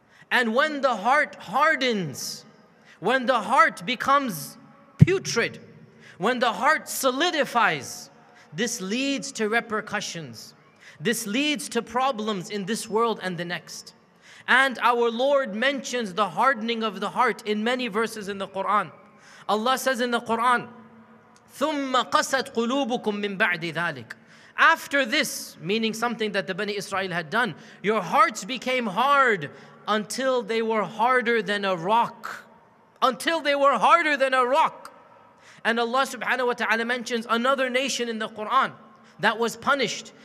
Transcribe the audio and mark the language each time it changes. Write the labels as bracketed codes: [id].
[en] And when the heart hardens, when the heart becomes putrid, when the heart solidifies, this leads to repercussions. This leads to problems in this world and the next. And our Lord mentions the hardening of the heart in many verses in the Quran. Allah says in the Quran, [ar] ثُمَّ قَسَتْ قُلُوبُكُمْ مِنْ بَعْدِ ذَلِكَ. [en] After this, meaning something that the Bani Israel had done, your hearts became hard until they were harder than a rock. Until they were harder than a rock. And Allah subhanahu wa ta'ala mentions another nation in the Quran that was punished.